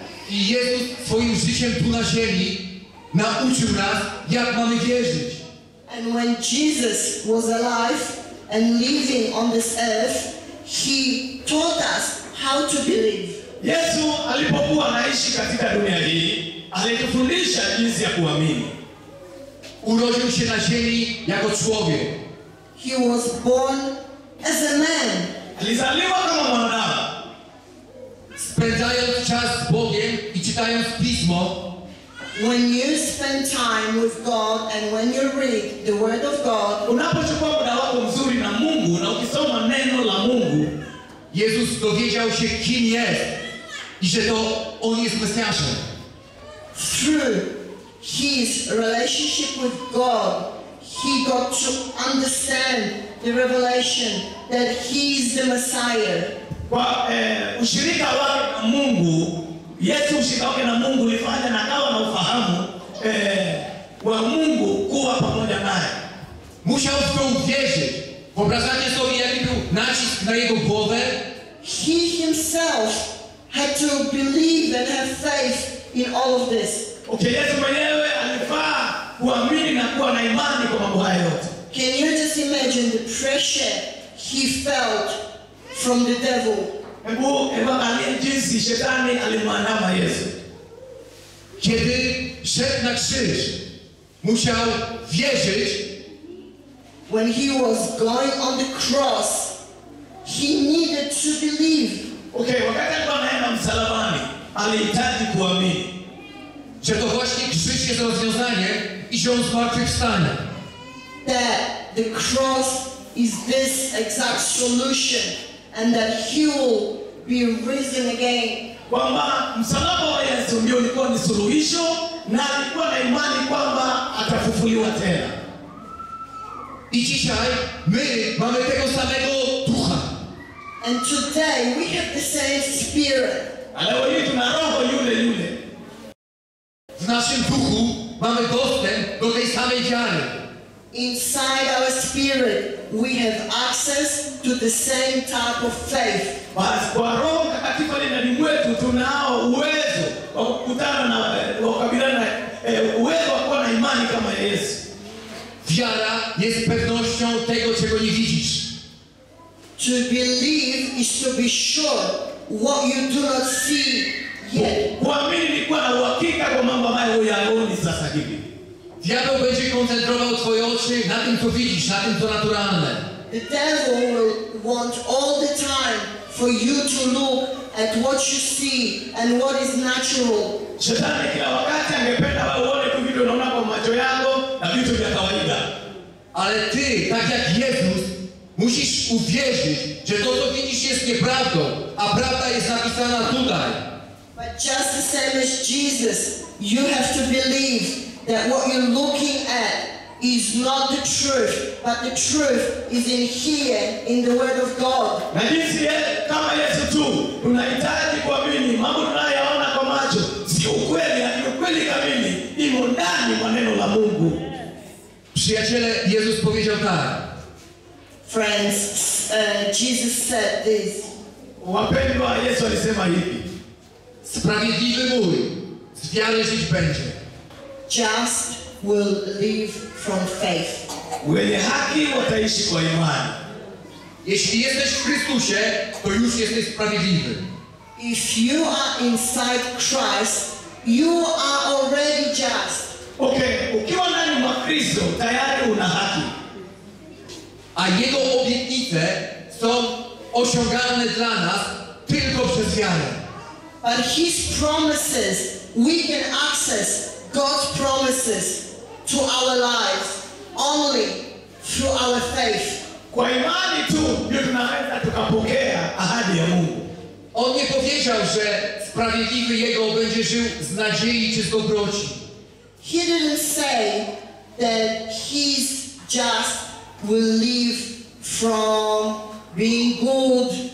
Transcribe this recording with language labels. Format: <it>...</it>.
<pl>I Jezus swoim życiem tu na ziemi nauczył nas jak mamy wierzyć.</pl> <en>And when Jesus was alive and living on this earth, he taught us how to believe.</en> <sw>Yesu alipokuwa anaishi katika dunia hii, alitufundisha jinsi ya kuamini.</sw> <pl>Urodził się na ziemi jako człowiek.</pl> <en>He was born as a man.</en> <sw>Alizaliwa kama mwanadamu.</sw> <pl>Spędzając czas z Bogiem i czytając Pismo.</pl> <en>When you spend time with God and when you read the Word of God.</en> <sw>Unapochukua muda wako mzuri na Mungu na ukisoma neno la Mungu.</sw> <pl>Jezus dowiedział się kim jest i że to On jest Mesjaszem.</pl> <en>True. His relationship with God, he got to understand the revelation that he is the Messiah.</en> <sw>Kwa ushirika wa Mungu, Yesu ushirika wake na Mungu ulifanya na kawa na ufahamu wa Mungu kuwa pamoja naye.</sw> <pl>Musiał w to uwierzyć. Wyobrażacie sobie jaki był nacisk na jego głowę?</pl> <en>He himself had to believe and have faith in all of this.</en> <sw>Okay, Yesu mwenyewe alifaa kuamini na kuwa na imani kwa mambo haya yote.</sw> <en>Can you just imagine the pressure he felt from the devil?</en> <sw>Hebu angalia jinsi shetani alimwandama Yesu.</sw> <pl>Kiedy szedł na krzyż, musiał wierzyć,</pl> <en>when he was going on the cross, he needed to believe.</en> <sw>Okay, wakati alikuwa anaenda msalabani, alihitaji kuamini.</sw> <pl>Że to właśnie krzyż jest rozwiązanie i że on zmartwychwstanie.</pl> <en>That the cross is this exact solution and that he will be risen again.</en> <sw>Kwamba msalaba wa Yesu ndio ulikuwa ni suluhisho na alikuwa na imani kwamba atafufuliwa tena.</sw> <pl>I dzisiaj my mamy tego samego ducha.</pl> <en>And today we have the same spirit.</en> <sw>Ale leo hii tuna roho yule yule.</sw> <pl>W naszym duchu mamy dostęp do tej samej wiary.</pl> <en>Inside our spirit we have access to the same type of faith.</en> <sw>Bas kwa roho takatifu ndani mwetu tunao uwezo wa kukutana na wa kukabiliana na uwezo wa kuwa na imani kama Yesu.</sw> <pl>Wiara jest pewnością tego, czego nie widzisz.</pl> <en>To believe is to be sure what you do not see yet.</en> <sw>Kuamini ni kuwa na uhakika kwa mambo ambayo huyaoni sasa hivi.</sw> <pl>Diabeł będzie koncentrował twoje oczy na tym, co widzisz, na tym, co naturalne.</pl> <en>The devil will want all the time for you to look at what you see and what is natural.</en> <sw>Shetani kila wakati angependa uone tu vitu unaona kwa macho yako na vitu vya kawaida.</sw> <pl>Ale ty, tak jak Jezus, musisz uwierzyć, że to, co widzisz, jest nieprawdą, a prawda jest napisana tutaj.</pl> <en>But just the same as Jesus, you have to believe that what you're looking at is not the truth, but the truth is in here, in the Word of God.</en> <sw>Na jinsi kama Yesu tu, unahitaji kuamini, mambo tunayoona kwa macho, sio kweli, ni ukweli kamili, imo ndani mwa neno la Mungu.</sw> <pl>Przyjaciele, Jezus powiedział tak.</pl> <en>Friends, Jesus said this.</en> <sw>Wapendwa, Yesu alisema hivi.</sw> <pl>Sprawiedliwy mój, z wiary żyć będzie.</pl> <en>Just will live from faith.</en> <sw>Wenye haki wataishi kwa imani.</sw> <pl>Jeśli jesteś w Chrystusie, to już jesteś sprawiedliwy.</pl> <en>If you are inside Christ, you are already just.</en> <sw>Okay, ukiwa ndani mwa Kristo, tayari una haki.</sw> <pl>A jego obietnice są osiągalne dla nas tylko przez wiarę.</pl> <en>But his promises, we can access God's promises to our lives only through our faith.</en> <sw>Kwa imani tu ndio tunaweza tukapokea ahadi ya Mungu.</sw> <pl>On nie powiedział, że sprawiedliwy jego będzie żył z nadziei czy z dobroci.</pl> <en>He didn't say that he's just will live from being good.</en>